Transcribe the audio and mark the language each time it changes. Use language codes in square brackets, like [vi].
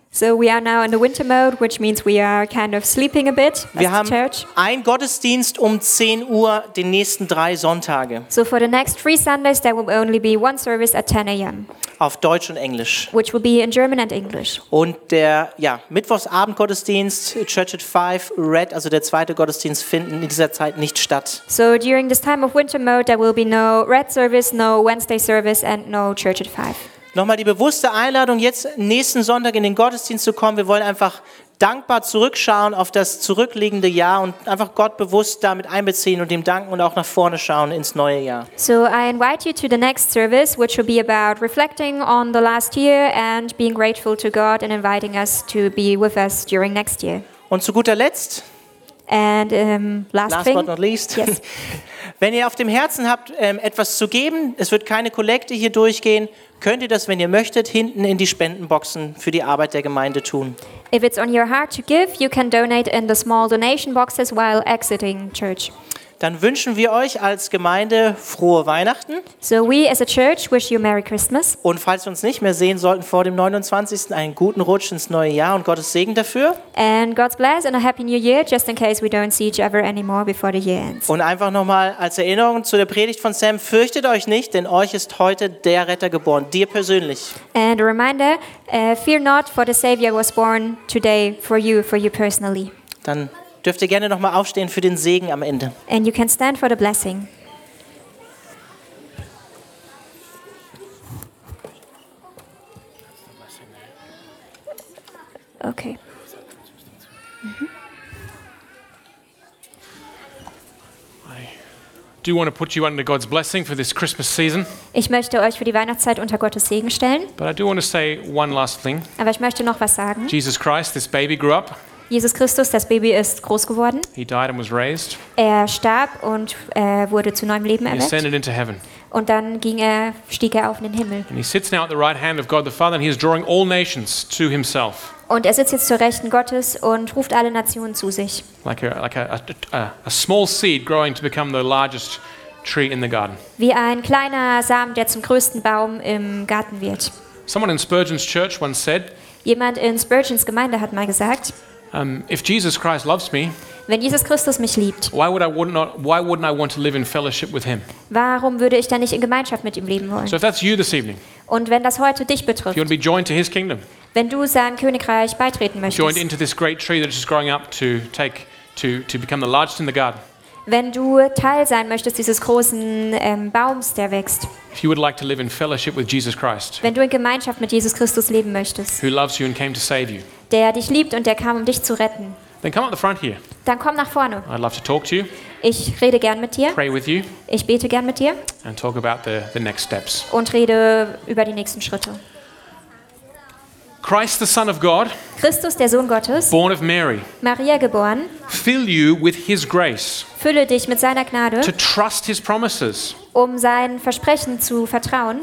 [en] So we are now in the winter mode, which means we are kind of sleeping a bit. [de] Wir haben einen Gottesdienst um 10 Uhr den nächsten 3 Sonntage. [en] So for the next 3 Sundays there will only be one service at 10 a.m. [de] auf Deutsch und Englisch. [en] Which will be in German and English. [de] Und der Mittwochsabendgottesdienst Church at 5 Red, also der zweite Gottesdienst, finden in dieser Zeit nicht statt. [en] So during this time of winter mode there will be no Red service, no Wednesday service and no Church at 5. [de] Nochmal die bewusste Einladung, jetzt nächsten Sonntag in den Gottesdienst zu kommen. Wir wollen einfach dankbar zurückschauen auf das zurückliegende Jahr und einfach Gott bewusst damit einbeziehen und ihm danken und auch nach vorne schauen ins neue Jahr. [en] So I invite you to the next service, which will be about reflecting on the last year and being grateful to God and inviting us to be with us during next year. [de] Und zu guter Letzt, [en] and last but not least, yes. [de] Wenn ihr auf dem Herzen habt, etwas zu geben, es wird keine Kollekte hier durchgehen, könnt ihr das, wenn ihr möchtet, hinten in die Spendenboxen für die Arbeit der Gemeinde tun. [en] If it's on your heart to give, you can donate in the small donation boxes while exiting church. [de] Dann wünschen wir euch als Gemeinde frohe Weihnachten. [en] So we as a church wish you Merry Christmas. [de] Und falls wir uns nicht mehr sehen sollten vor dem 29. einen guten Rutsch ins neue Jahr und Gottes Segen dafür. [en] And God's bless and a happy new year just in case we don't see each other anymore before the year ends. [de] Und einfach nochmal als Erinnerung zu der Predigt von Sam, fürchtet euch nicht, denn euch ist heute der Retter geboren, dir persönlich. [en] And a reminder, fear not, for the Savior was born today for you personally. [de] Dann dürft ihr gerne nochmal aufstehen für den Segen am Ende. [en] And you can stand for the blessing. Okay. Mm-hmm. I do want to put you under God's blessing for this Christmas season. [de] Ich möchte euch für die Weihnachtszeit unter Gottes Segen stellen. [en] But I do want to say one last thing. [de] Aber ich möchte noch was sagen. [en] Jesus Christ, this baby grew up. [de] Jesus Christus, das Baby ist groß geworden. [en] He died and was raised. [de] Er starb und wurde zu neuem Leben erweckt. [en] He ascended into heaven. [de] Und dann stieg er auf in den Himmel. [en] And he sits now at the right hand of God the Father and he is drawing all nations to himself. [de] Und er sitzt jetzt zur Rechten Gottes und ruft alle Nationen zu sich. [en] Like a small seed growing to become the largest tree in the garden. [de] Wie ein kleiner Samen, der zum größten Baum im Garten wird. [en] Someone in Spurgeon's church once said. [de] Jemand in Spurgeon's Gemeinde hat mal gesagt. [en] If Jesus Christ loves me, [de] wenn Jesus Christus mich liebt, [en] why wouldn't I want to live in fellowship with him? [de] Warum würde ich dann nicht in Gemeinschaft mit ihm leben wollen? [en] So if that's you this evening, [de] und wenn das heute dich betrifft, [en] if you want to be joined to his kingdom, [de] wenn du seinem Königreich beitreten möchtest, [en] joined into this great tree that is growing up to take to become the largest in the garden. [de] Wenn du Teil sein möchtest dieses großen Baums, der wächst. [en] If you would like to live in fellowship with Jesus Christ, [de] wenn du in Gemeinschaft mit Jesus Christus leben möchtest, [en] who loves you and came to save you, [de] der dich liebt und der kam, um dich zu retten. [en] Then come up the front here. [de] Dann komm nach vorne. [en] I'd love to talk to you. [de] Ich rede gern mit dir. [en] Pray with you. [de] Ich bete gern mit dir. [en] And talk about the next steps. [de] Und rede über die nächsten Schritte. [en] Christ the Son of God, [de] Christus der Sohn Gottes, [en] born of Mary, [de] Maria geboren, [en] fill you with his grace, [de] fülle dich mit seiner Gnade, [en] to trust his promises, [de] um seinen Versprechen zu vertrauen,